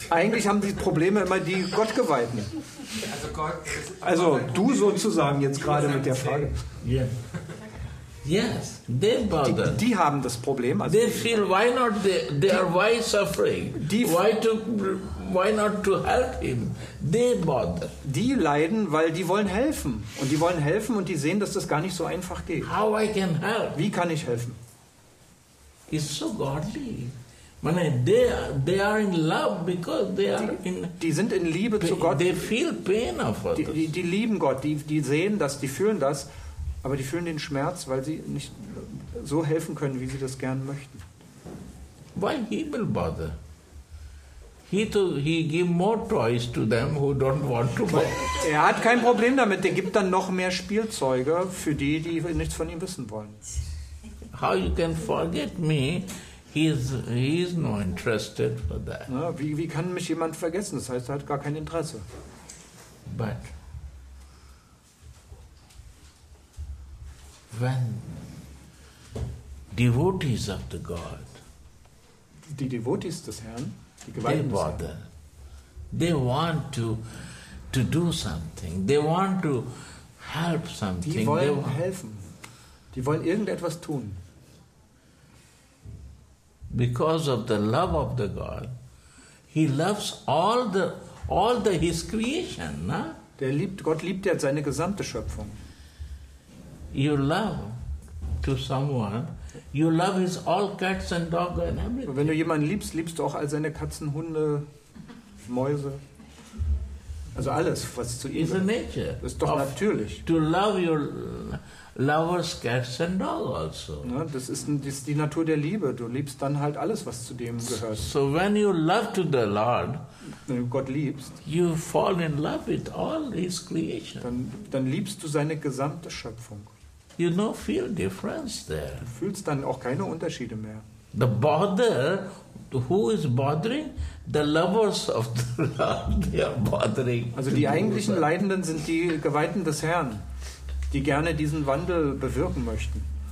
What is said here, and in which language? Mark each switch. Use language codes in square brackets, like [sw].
[de] Eigentlich haben die Probleme immer die Gottgeweihten. Also du sozusagen jetzt gerade mit der Frage. [en] Yes, they bother. [de] Die haben das Problem. [en] Also they feel why not they are why suffering? Why not to help him? They bother. [de] Die leiden, weil die wollen helfen und die wollen helfen und die sehen, dass das gar nicht so einfach geht. [en] How I can help? [de] Wie kann ich helfen? [en] It's so godly. They are in love because they are in. [de] Die sind in Liebe zu Gott. [en] They feel pain of others. [de] Die lieben Gott. Die sehen das. Die fühlen das. Aber die fühlen den Schmerz, weil sie nicht so helfen können, wie sie das gern möchten. [en] Why he will bother? He give more toys to them who don't want to buy. [de] Er hat kein Problem damit. Er gibt dann noch mehr Spielzeuge für die nichts von ihm wissen wollen. [en] How you can forget me? He is not interested for that. [de] Na, wie kann mich jemand vergessen? Das heißt, er hat gar kein Interesse. [en] But when devotees of the God, [de] die Devotees des Herrn, die Geweihten, [en] they bother. They want to do something. They want to help something. [de] Die wollen helfen. Die wollen irgendetwas tun. [en] Because of the love of the God, he loves all the his creation. [de] Na? Gott liebt ja seine gesamte Schöpfung. [en] You love to someone, you love his all cats and dogs and everything. [de] Wenn du jemanden liebst, liebst du auch all seine Katzen, Hunde, Mäuse. Also alles, was zu ihm gehört. Nature. Ist doch natürlich. [en] To love your lovers, cats and dogs also. [de] Ja, das ist die Natur der Liebe. Du liebst dann halt alles, was zu dem gehört. [en] So when you love to the Lord, [de] wenn du Gott liebst, [en] you fall in love with all his creation. [de] Dann liebst du seine gesamte Schöpfung. [en] You don't feel difference there. [de] Du fühlst dann auch keine Unterschiede mehr. [en] The bother, who is bothering? The lovers of the Lord, they are bothering. [de] Also die eigentlichen Leidenden sind die Geweihten des Herrn, die gerne diesen Wandel bewirken möchten.